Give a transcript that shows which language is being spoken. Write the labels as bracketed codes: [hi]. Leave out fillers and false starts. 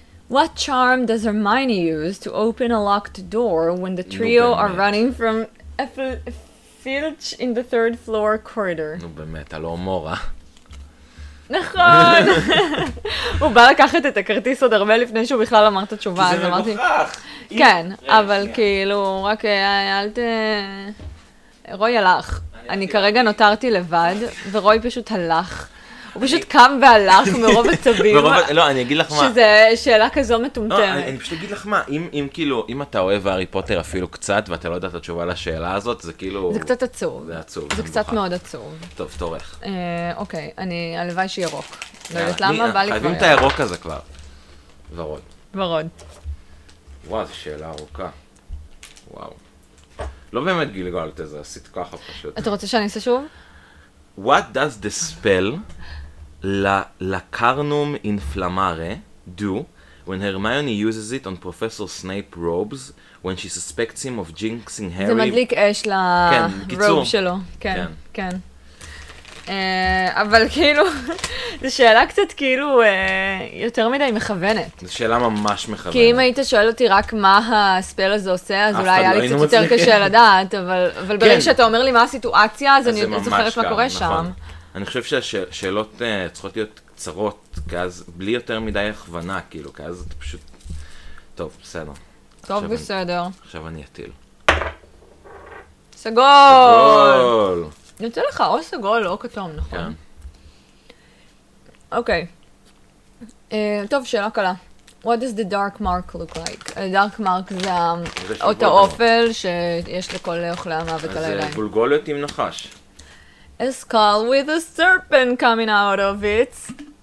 [en] What charm does Hermione use to open a locked door when the trio are running from Filch in the third floor corridor? [he] נו באמת, הלא מורה. נכון! הוא בא לקחת את הכרטיס עוד הרבה לפני שהוא בכלל אמר את התשובה, אז אמרתי... כי זה מגוחך! כן, אבל כאילו, רק אל ת... רוי הלך. אני כרגע נותרתי לבד, ורוי פשוט הלך. הוא פשוט קם והלך מרוב הצבים. לא, אני אגיד לך מה... שזה שאלה כזו מטומטמת. אני פשוט אגיד לך מה, אם כאילו, אם אתה אוהב הארי פוטר אפילו קצת, ואתה לא יודע את התשובה לשאלה הזאת, זה כאילו... זה קצת עצוב. זה עצוב. זה קצת מאוד עצוב. טוב, תורך. אוקיי, אני... הלוואי שירוק. לא יודעת למה, בא לי כבר... חייבים את הירוק הזה כבר. ורוד. ורוד. וואו, זו שאלה ארוכה. וואו. לא באמת גילגלת את זה, עשית ככה פשוט. אתה רוצה שאני אעשה שוב? [en] What does the spell Lacarnum Inflammare do when Hermione uses it on Professor Snape robes when she suspects him of jinxing Harry? [he] זה מדליק אש לרוב שלו. כן, כן. אבל כאילו, זו שאלה קצת כאילו יותר מדי מכוונת. זו שאלה ממש מכוונת. כי אם היית שואל אותי רק מה הספל הזה עושה, אז אולי היה לי קצת יותר קשה לדעת, אבל ברגע שאתה אומר לי מה הסיטואציה, אז אני זוכרת מה קורה שם. אני חושב שהשאלות צריכות להיות קצרות, בלי יותר מדי הכוונה, כאילו, כי אז אתה פשוט... טוב, בסדר. טוב, בסדר. עכשיו אני אטיל. סגול! יוצא לך או סגול או כתום, נכון? כן. אוקיי. טוב, שאלה קלה. [en] What does the dark mark look like? [he] Dark mark זה אות האופל שיש לכל אוכלי המוות על הידיים. זה גולגולת עם נחש. [en] A skull with a serpent coming out of it.